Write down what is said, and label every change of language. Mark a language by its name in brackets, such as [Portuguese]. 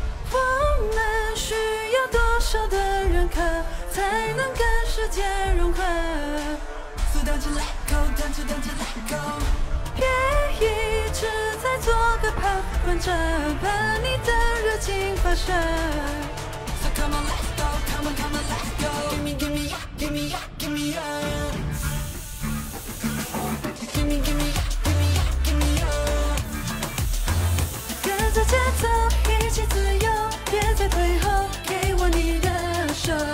[Chinese] 我们需要多少的认可，才能跟世界融合。 [English] So don't you let go, don't you, don't you let go。别一直在做个旁观者，把你的热情发射。 So come on let's go, come on come on let's go。 Give me, give me, yeah, give me, yeah, give me, yeah。 Give me, give me, yeah, give me, yeah, give me, yeah。 [Chinese] 跟着节奏一起自由，别再退后，给我你的手。